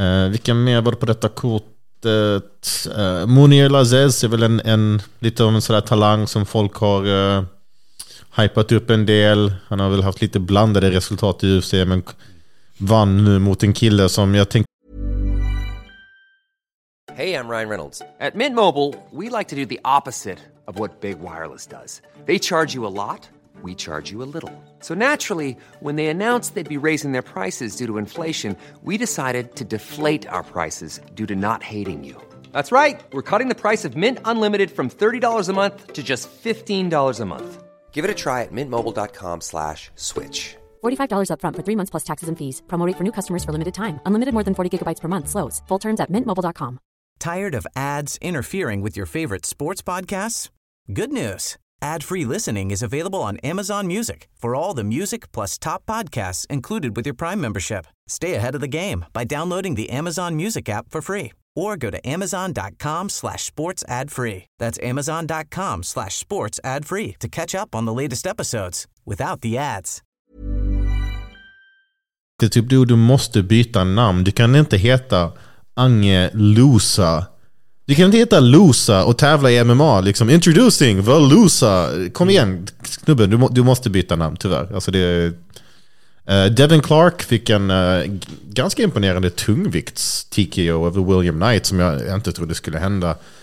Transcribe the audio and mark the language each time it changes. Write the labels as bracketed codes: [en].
[sv] Vilka mer var det på detta kortet? Munir Lazez är väl en lite av en sån där talang som folk har hypat upp en del. Han har väl haft lite blandade resultat i UFC, men vann nu mot en kille som jag tänkte... [en] Hey, I'm Ryan Reynolds. At Mint Mobile, we like to do the opposite of what Big Wireless does. They charge you a lot, we charge you a little. So naturally, when they announced they'd be raising their prices due to inflation, we decided to deflate our prices due to not hating you. That's right. We're cutting the price of Mint Unlimited from $30 a month to just $15 a month. Give it a try at mintmobile.com/switch. $45 up front for 3 months plus taxes and fees. Promo rate for new customers for limited time. Unlimited more than 40 gigabytes per month slows. Full terms at mintmobile.com. Tired of ads interfering with your favorite sports podcasts? Good news. Ad-free listening is available on Amazon Music for all the music plus top podcasts included with your Prime membership. Stay ahead of the game by downloading the Amazon Music app for free, or go to amazon.com/sportsadfree. That's amazon.com/sportsadfree to catch up on the latest episodes without the ads. [sv] Det är typ du måste byta namn. Du kan inte heta Ange Lusa. Du kan inte heta Lusa och tävla i MMA liksom. [en] Introducing the Lusa. [sv] Kom igen, knubben, du måste byta namn tyvärr. Alltså det är, Devin Clark fick en ganska imponerande tungvikts TKO över William Knight, som jag inte trodde skulle hända.